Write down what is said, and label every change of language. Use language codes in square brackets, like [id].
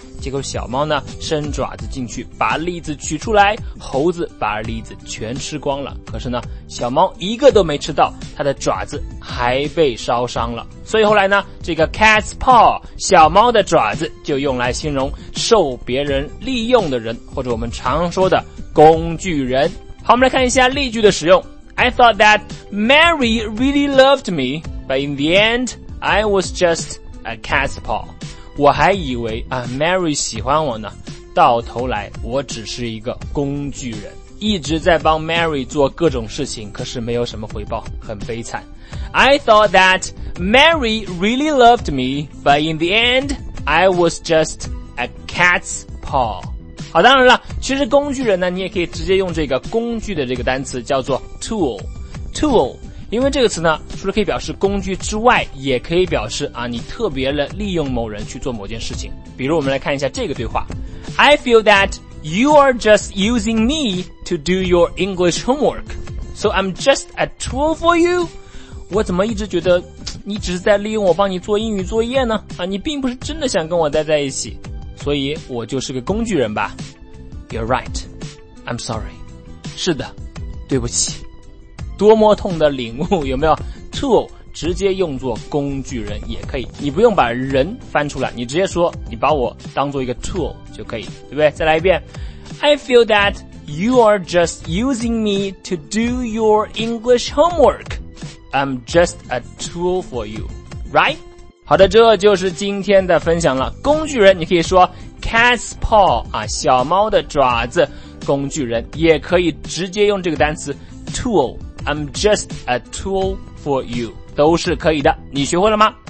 [zh] 结果小猫呢伸爪子进去把栗子取出来，猴子把栗子全吃光了，可是呢小猫一个都没吃到，它的爪子还被烧伤了。所以后来呢这个 cat's paw 小猫的爪子就用来形容受别人利用的人，或者我们常说的工具人。好，我们来看一下例句的使用。 [en] I thought that Mary really loved me, but in the end I was just a cat's paw。 [zh] 我还以为啊 ，Mary 喜欢我呢，到头来我只是一个工具人，一直在帮 Mary 做各种事情，可是没有什么回报，很悲惨。 [en] I thought that Mary really loved me, but in the end, I was just a cat's paw。 [zh] 好，当然了，其实工具人呢，你也可以直接用这个工具的这个单词叫做 tool。因为这个词呢除了可以表示工具之外，也可以表示啊你特别的利用某人去做某件事情。比如我们来看一下这个对话。 [en] I feel that you are just using me to do your English homework, so I'm just a tool for you. [zh] 我怎么一直觉得你只是在利用我帮你做英语作业呢，啊你并不是真的想跟我待在一起，所以我就是个工具人吧。 [en] You're right, I'm sorry. [zh] 是的，对不起。多么痛的领悟，有没有？ tool 直接用作工具人也可以，你不用把人翻出来，你直接说你把我当做一个 tool 就可以，对不对？再来一遍。 [en] I feel that you are just using me to do your English homework. I'm just a tool for you, right? [zh] 好的，这就是今天的分享了。工具人你可以说 cat's paw 啊，小猫的爪子。工具人也可以直接用这个单词 tool， [en] I'm just a tool for you， [zh] 都是可以的。你学会了吗？